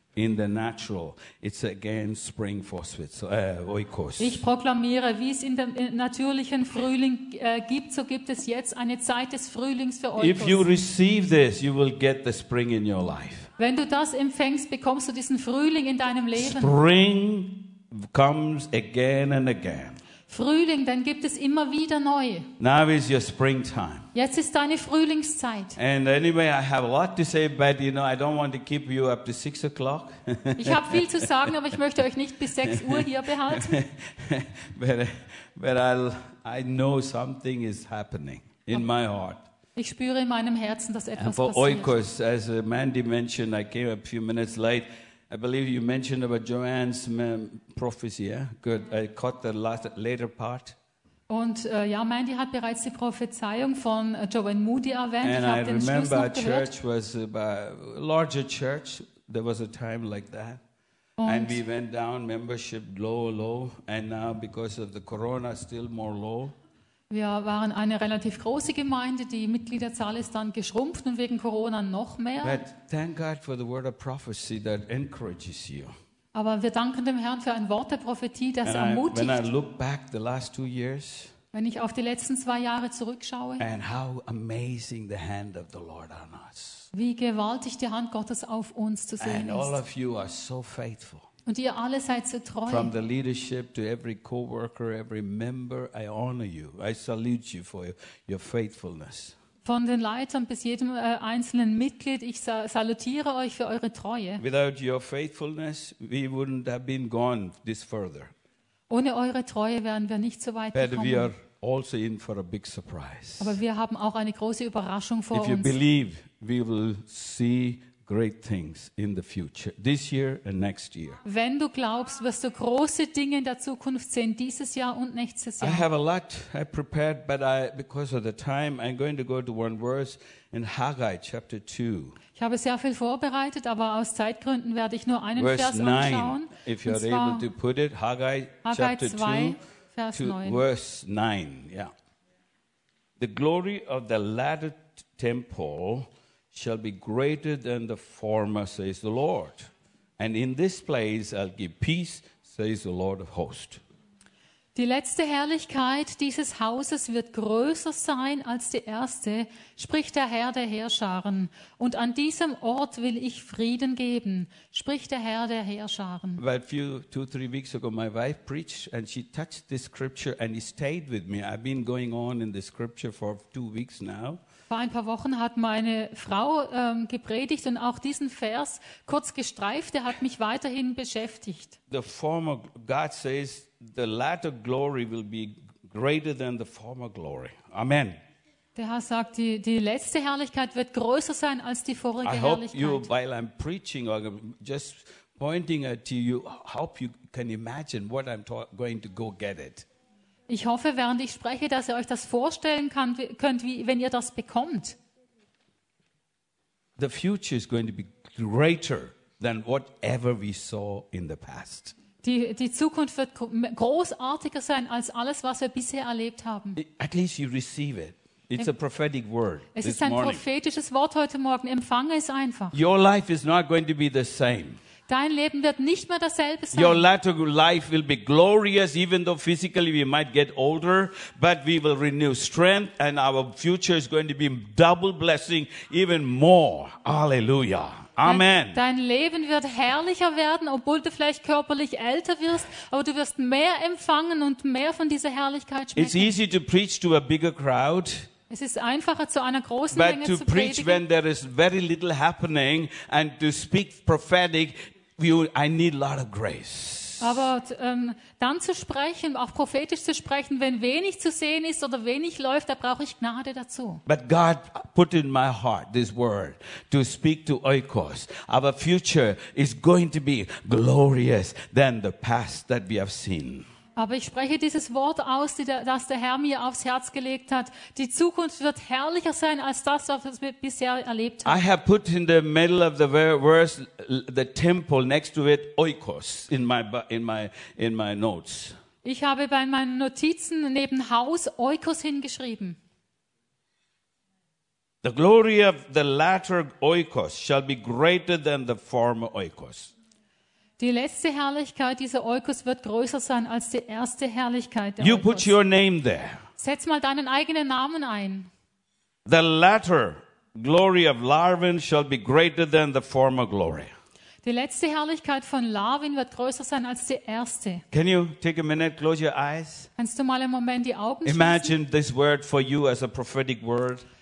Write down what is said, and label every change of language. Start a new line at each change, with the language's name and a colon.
English: In the natural, it's again spring for Oikos.
German: Ich proklamiere, wie es in dem natürlichen Frühling gibt, so gibt es jetzt eine Zeit des Frühlings für Oikos.
English: If you receive this, you will get the spring in your life.
German: Wenn du das empfängst, bekommst du diesen Frühling in deinem Leben.
English: Spring comes again and again.
German: Frühling, dann gibt es immer wieder neu.
English: Now is your springtime.
German: Jetzt ist deine Frühlingszeit.
English: And anyway, I have a lot to say, but you know, I don't want to keep you up to 6 o'clock.
German: Ich habe viel zu sagen, aber ich möchte euch nicht bis 6 Uhr hier behalten.
English: But I know something is happening in my heart.
German: Ich spüre in meinem Herzen, dass etwas passiert.
English: And for Oikos, as Mandy mentioned, I came a few minutes late. I believe you mentioned about Joanne's prophecy. Yeah, good. I caught the later part.
German: Und ja, Mandy hat bereits die Prophezeiung von Joanne Moody erwähnt.
English: And
German: ich
English: I remember
German: den Schluss noch
English: a church
German: gehört.
English: Was a larger church. There was a time like that. And we went down, membership low. And now because of the corona, still more low.
German: Wir waren eine relativ große Gemeinde, die Mitgliederzahl ist dann geschrumpft und wegen Corona noch mehr.
English: But thank God for the word of prophecy that encourages you.
German: Aber wir danken dem Herrn für ein Wort der Prophetie, das
English: and
German: ermutigt.
English: When I look back the last 2 years,
German: wenn ich auf die letzten 2 Jahre zurückschaue,
English: and how amazing the hand of the Lord on us.
German: Wie gewaltig die Hand Gottes auf uns zu sehen
English: and
German: ist.
English: All of you are so faithful.
German: Und ihr alle seid so treu.
English: From the leadership to every coworker, every member, I honor you. I salute you for your faithfulness.
German: Von den Leitern bis jedem einzelnen Mitglied, ich salutiere euch für eure Treue.
English: Without your faithfulness, we wouldn't have been gone this further.
German: Ohne eure Treue wären wir nicht so weit
English: but
German: gekommen.
English: We are also in for a big surprise.
German: Aber wir haben auch eine große Überraschung vor
English: if
German: uns.
English: If you believe, we will see great things in the future, this year and next year.
German: Wenn du glaubst, wirst du große Dinge in der Zukunft sehen, dieses Jahr und nächstes Jahr.
English: I have a lot I prepared, but I, because of the time, I'm going to go to one verse in Haggai chapter 2.
German: Ich habe sehr viel vorbereitet, aber aus Zeitgründen werde ich nur einen
English: verse
German: Vers anschauen.
English: Verse 9, if you're able to put it, Haggai chapter 2, Vers 9. Verse 9, yeah. The glory of the latter temple shall be greater than the former, says the Lord. And in this place I'll give peace, says the Lord of hosts.
German: Die letzte Herrlichkeit dieses Hauses wird größer sein als die erste, spricht der Herr der Heerscharen. Und an diesem Ort will ich Frieden geben, spricht der Herr der Heerscharen.
English: About two, three weeks ago, my wife preached and she touched this scripture and he stayed with me. I've been going on in the scripture for 2 weeks now.
German: Vor ein paar Wochen hat meine Frau gepredigt und auch diesen Vers kurz gestreift, der hat mich weiterhin beschäftigt.
English: The former God says the latter glory will be greater than the former glory. Amen.
German: Der Herr sagt, die letzte Herrlichkeit wird größer sein als die vorige Herrlichkeit.
English: I hope you, while I'm preaching or just pointing it to you, hope you can imagine what I'm going to go get it.
German: Ich hoffe, während ich spreche, dass ihr euch das vorstellen könnt, wie, wenn ihr das bekommt.
English: the future is going to be greater than whatever we saw in the past.
German: Die Zukunft wird großartiger sein als alles, was wir bisher erlebt haben.
English: At least you receive it. It's a prophetic word.
German: Es ist ein prophetisches Wort heute Morgen. Empfange es einfach.
English: Your life is not going to be the same.
German: Dein Leben wird nicht mehr dasselbe sein.
English: Your latter life will be glorious, even though physically we might get older, but we will renew strength and our future is going to be double blessing, even more. Hallelujah. Amen.
German: Dein Leben wird herrlicher werden, obwohl du vielleicht körperlich älter wirst, aber du wirst mehr empfangen und mehr von dieser Herrlichkeit schmecken.
English: It's easy to preach to a bigger crowd.
German: Es ist einfacher, zu einer großen Menge zu predigen.
English: But to preach when there is very little happening and to speak prophetic, I need a lot of grace.
German: Aber dann zu sprechen, auch prophetisch zu sprechen, wenn wenig zu sehen ist oder wenig läuft, da brauche ich Gnade dazu.
English: But God put in my heart this word to speak to Oikos. Our future is going to be glorious than the past that we have seen.
German: Aber ich spreche dieses Wort aus, das der Herr mir aufs Herz gelegt hat. Die Zukunft wird herrlicher sein als das, was wir bisher erlebt haben.
English: I have put in the middle of the verse the temple next to it oikos in my notes.
German: Ich habe bei meinen Notizen neben Haus oikos hingeschrieben.
English: The glory of the latter oikos shall be greater than the former oikos.
German: Die letzte Herrlichkeit dieser Oikos wird größer sein als die erste Herrlichkeit der
English: You
German: Oikos.
English: Put your name there.
German: Setz mal deinen eigenen Namen ein.
English: The latter glory of Larvin shall be greater than the former glory.
German: Die letzte Herrlichkeit von Larvin wird größer sein als die erste.
English: Can you take a minute, close your eyes?
German: Kannst du mal einen Moment die Augen
English: Imagine
German: schließen?
English: This word for you as a prophetic word.